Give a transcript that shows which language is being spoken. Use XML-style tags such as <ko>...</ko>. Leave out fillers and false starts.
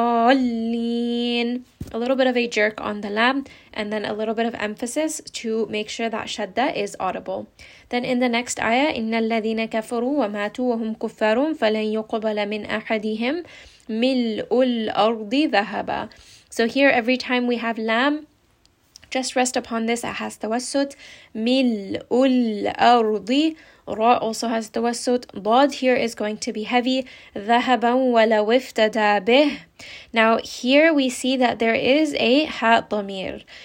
<en>Al-dallin. A little bit of a jerk on the lam, and then a little bit of emphasis to make sure that shadda is audible. Then in the next ayah,</en> <ar>إِنَّ الَّذِينَ كَفَرُوا وَمَاتُوا وَهُمْ كُفَّارٌ فَلَنْ يُقْبَلَ مِنْ أَحَدِهِمْ مِلْءُ الْأَرْضِ ذَهَبًا.</ar> <en>So here every time we have lam, just rest upon this, it has tawassut.</en> <ar>مِلْءُ الْأَرْضِ.</ar> <en>Ra also has tawassut. Dad here is going to be heavy.</en> <ar>ذَهَبًا وَلَوْ افْتَدَى بِهِ.</ar> <en>Now here we see that there is a ha tamir.</en>